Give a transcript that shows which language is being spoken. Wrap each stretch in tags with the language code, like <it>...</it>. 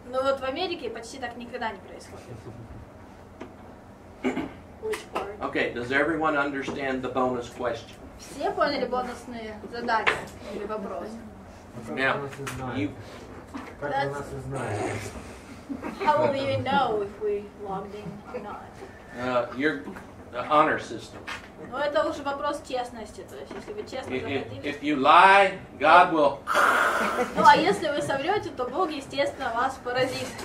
<ru>Ну, вот в Америке почти так никогда не происходит.</ru> <en>Okay, does everyone understand the bonus question?</en> <ru>Все поняли бонусные задания или вопросы?</ru> <en>Now, you... That's... How will you know if we logged in or not? The honor system.</en> <ru>Ну, это уже вопрос честности, то есть, если вы честно заходили...</ru> <en>If you lie, God will...</en> <ru>Ну, а если вы соврете, то Бог, естественно, вас поразит.</ru>